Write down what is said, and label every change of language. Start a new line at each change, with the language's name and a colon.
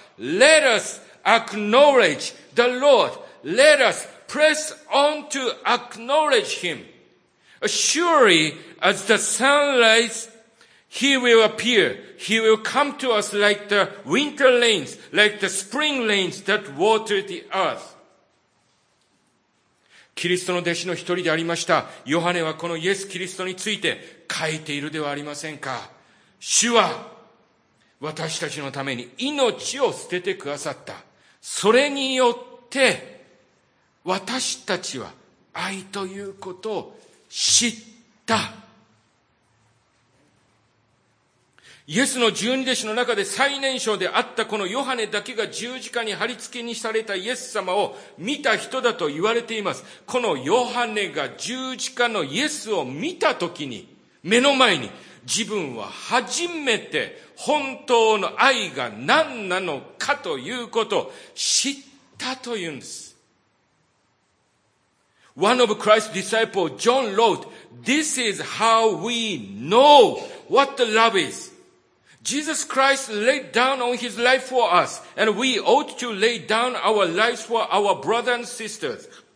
English: Let us acknowledge the Lord. Let us press on to acknowledge him. Surely, as the sun rises,He will appear. He will come to us like the winter rains, like the spring rains that water the earth.
Japanese: キリストの弟子の一人でありましたヨハネはこのイエス・キリストについて書いているではありませんか。主は私たちのために命を捨ててくださった。それによって私たちは愛ということを知った。イエスの十二弟子の中で最年少であったこのヨハネだけが十字架に貼り付けにされたイエス様を見た人だと言われています。このヨハネが十字架のイエスを見たときに、目の前に自分は初めて本当の愛が何なのかということを知ったというんです。
English: One of Christ's disciples, John wrote, This is how we know what the love is. Jesus Christ laid down on his life for us, and we ought to lay down our lives for our brothers and sisters.